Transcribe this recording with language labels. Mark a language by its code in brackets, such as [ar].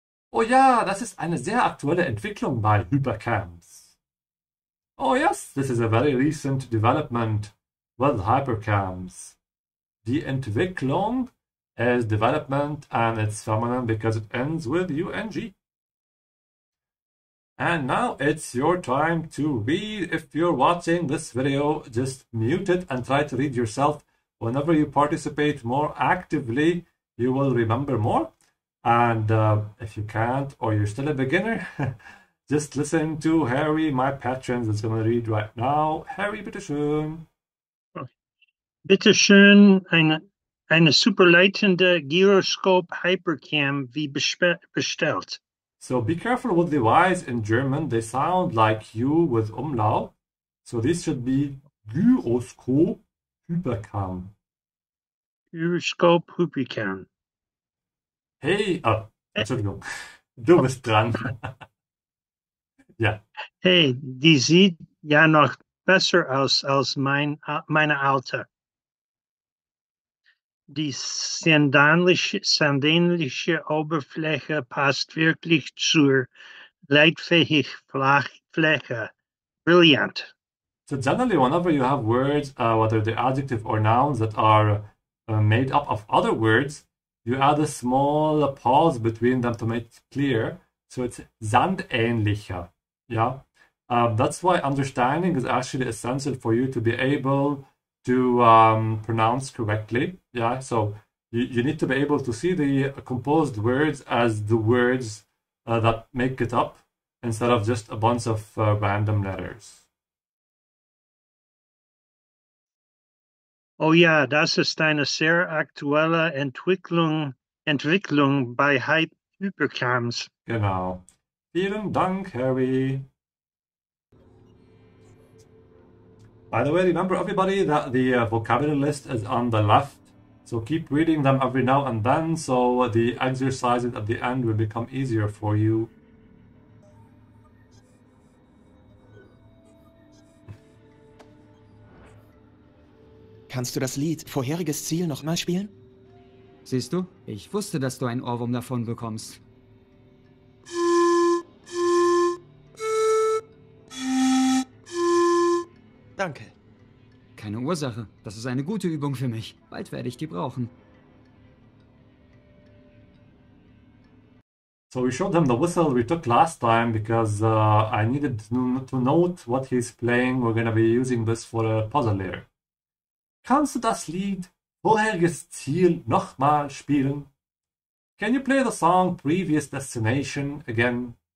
[de] Oh ja, das ist eine sehr aktuelle Entwicklung bei Hypercams. [en] Oh yes, this is a very recent development with Hypercams. Die Entwicklung is development and it's feminine because it ends with UNG. And now it's your time to read. If you're watching this video, just mute it and try to read yourself. Whenever you participate more actively, you will remember more. And if you can't, or you're still a beginner, just listen to Harry, my patron, that's going to read right now. [de] Harry, bitte schön. Bitte schön, eine superleitende gyroscope hypercam wie bestellt. [en] So be careful with the Ys in German. They sound like U with umlaut. So this should be gyroscope-hypercam. Gyroscope-hypercam. [de] Hey, Entschuldigung. Du bist dran. Ja. Hey, die sieht ja noch besser aus als meine alte. Die sandänliche Oberfläche passt wirklich zur leitfähigen Fläche. Brilliant. [en] So generally, whenever you have words, whether the adjective or nouns that are made up of other words, you add a small pause between them to make it clear. So it's sandähnlicher. Yeah. That's why understanding is actually essential for you to be able to pronounce correctly. Yeah. So you need to be able to see the composed words as the words that make it up instead of just a bunch of random letters. [de] Oh ja, das ist eine sehr aktuelle Entwicklung bei Hypercams. Genau. Vielen Dank, Harry. [en] By the way, remember everybody that the vocabulary list is on the left. So keep reading them every now and then, so the exercises at the end will become easier for you. [de] Kannst du das Lied Vorheriges Ziel nochmal spielen? Siehst du, ich wusste, dass du einen Ohrwurm davon bekommst. Danke. Keine Ursache, das ist eine gute Übung für mich. Bald werde ich die brauchen. [en] So we showed him the whistle we took last time because I needed to note what he's playing. We're gonna be using this for a puzzle later. [de] Kannst du das Lied Vorheriges Ziel nochmal spielen? [en] Can you play the song Previous Destination again?